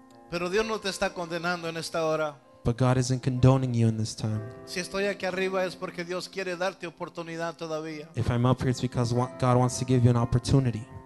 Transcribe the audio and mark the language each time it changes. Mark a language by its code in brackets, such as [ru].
[es] Pero Dios no te está condenando en esta hora. [en] But God isn't condoning you in this time. [es] Si estoy aquí arriba es porque Dios quiere darte oportunidad todavía. [en] If I'm up here it's because God wants to give you an opportunity.